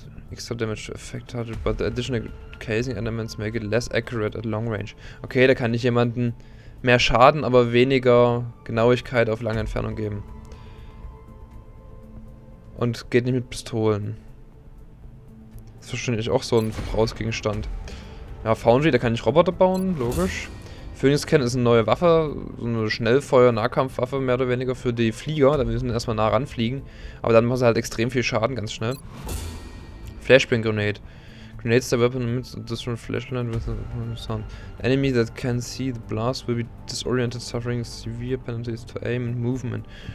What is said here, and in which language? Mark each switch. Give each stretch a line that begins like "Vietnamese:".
English: Extra Damage to Effect Target, but the additional casing elements make it less accurate at long range.
German: Okay, da kann ich jemanden mehr Schaden, aber weniger Genauigkeit auf lange Entfernung geben. Und geht nicht mit Pistolen. Das ist wahrscheinlich auch so ein Verbrauchsgegenstand. Ja, Foundry, da kann ich Roboter bauen, logisch. Phoenix Cannon ist eine neue Waffe, so eine Schnellfeuer-Nahkampfwaffe mehr oder weniger für die Flieger. Da müssen wir erstmal nah ranfliegen. Aber dann machen sie halt extrem viel Schaden, ganz schnell.
English: Flashbang Grenade. Grenades that weapon emits a different flashlight with a sound. Enemy that can see the blast will be disoriented, suffering severe penalties to aim and movement.